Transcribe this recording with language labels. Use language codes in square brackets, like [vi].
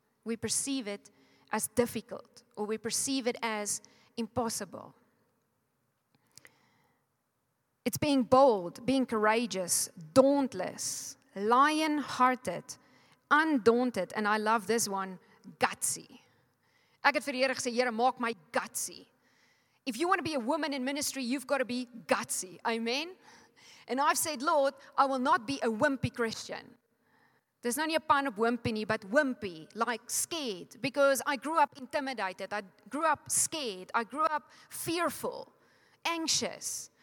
[en] We perceive it as difficult, or we perceive it as impossible. It's being bold, being courageous, dauntless, lion-hearted, undaunted, and I love this one, gutsy. [af] Ek het vir die Here gesê, Here, maak my gutsy. [en] If you want to be a woman in ministry, you've got to be gutsy. Amen? And I've said, Lord, I will not be a wimpy Christian. There's not a pun of wimpy, but wimpy, like scared, because I grew up intimidated. I grew up scared. I grew up fearful, anxious.